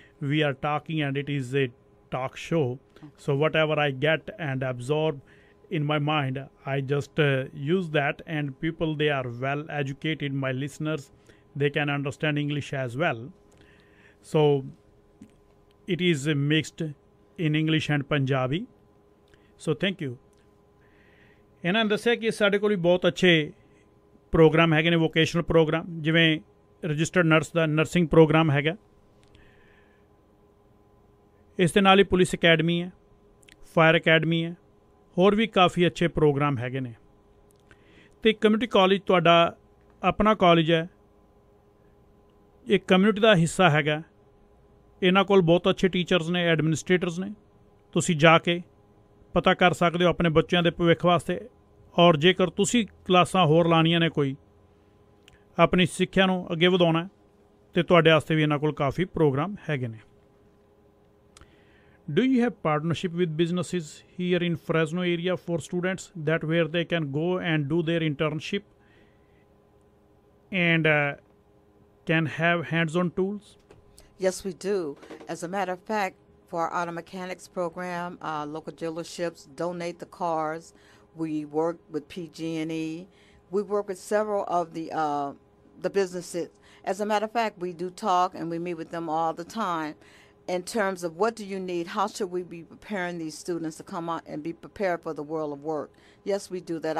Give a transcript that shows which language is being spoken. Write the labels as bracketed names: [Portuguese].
[English] We are talking and it is a talk show. So whatever I get and absorb in my mind, I just use that. And people, they are well educated, my listeners. They can understand English as well. So it is mixed in English and Punjabi. So thank you. [Punjabi] ਇਹਨਾਂ ਦੱਸਿਆ ਕਿ ਸਾਡੇ ਕੋਲ ਵੀ ਬਹੁਤ ਅੱਛੇ programme ਹੈਗੇ ਨੇ, vocational programme, ਜਿਵੇਂ ਰਜਿਸਟਰਡ ਨਰਸ ਦਾ ਨਰਸਿੰਗ ਪ੍ਰੋਗਰਾਮ ਹੈਗਾ, ਇਸ ਦੇ ਨਾਲ ਹੀ ਪੁਲਿਸ ਅਕੈਡਮੀ ਹੈ, ਫਾਇਰ ਅਕੈਡਮੀ ਹੈ, ਹੋਰ ਵੀ ਕਾਫੀ ਅੱਛੇ ਪ੍ਰੋਗਰਾਮ ਹੈਗੇ ਨੇ. ਅਤੇ ਕਮਿਊਨਿਟੀ ਕਾਲਜ ਤੁਹਾਡਾ ਆਪਣਾ ਕਾਲਜ ਹੈ, ਇਹ ਕਮਿਊਨਿਟੀ ਦਾ ਹਿੱਸਾ ਹੈਗਾ, ਇਹਨਾਂ ਕੋਲ ਬਹੁਤ ਅੱਛੇ ਟੀਚਰਸ ਨੇ, ਐਡਮਿਨਿਸਟ੍ਰੇਟਰਸ ਨੇ, ਤੁਸੀਂ ਜਾ ਕੇ ਪਤਾ ਕਰ ਸਕਦੇ ਹੋ ਆਪਣੇ ਬੱਚਿਆਂ ਦੇ ਭਵਿੱਖ ਵਾਸਤੇ. ਔਰ ਜੇਕਰ ਤੁਸੀਂ ਕਲਾਸਾਂ ਹੋਰ ਲਾਉਣੀਆਂ ਨੇ ਕੋਈ, ਆਪਣੀ ਸਿੱਖਿਆ ਨੂੰ ਅੱਗੇ ਵਧਾਉਣਾ, ਤਾਂ ਤੁਹਾਡੇ ਵਾਸਤੇ ਵੀ ਇਹਨਾਂ ਕੋਲ ਕਾਫੀ ਪ੍ਰੋਗਰਾਮ ਹੈਗੇ ਨੇ. [English] Do you have partnership with businesses here in Fresno area for students that where they can go and do their internship and can have hands-on tools? Yes, we do. As a matter of fact, for our auto mechanics program, local dealerships donate the cars. We work with PG&E. We work with several of the businesses. As a matter of fact, we do talk and we meet with them all the time in terms of what do you need, how should we be preparing these students to come out and be prepared for the world of work. Yes, we do that.